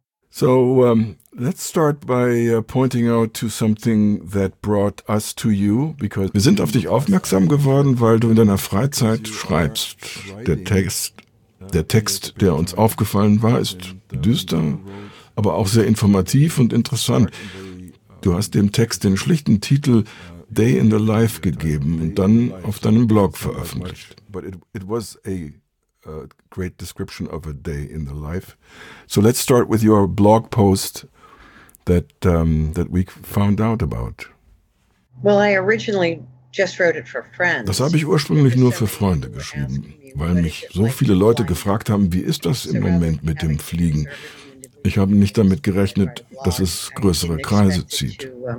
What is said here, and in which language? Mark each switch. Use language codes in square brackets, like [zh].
[en] So, let's start by pointing out to something that brought us to you, because [de] wir sind auf dich aufmerksam geworden, weil du in deiner Freizeit schreibst. Der Text, der uns aufgefallen war, ist düster, aber auch sehr informativ und interessant. Du hast dem Text den schlichten Titel Day in the Life gegeben und dann auf deinem Blog veröffentlicht. [en] But it was a great description of a day in the life. So let's start with your blog post that we found out about. Well, I originally just wrote it for friends. [de] Das habe ich ursprünglich nur für Freunde geschrieben, weil mich so viele Leute gefragt haben, wie ist das im Moment mit dem Fliegen? Ich habe nicht damit gerechnet, dass es größere Kreise zieht.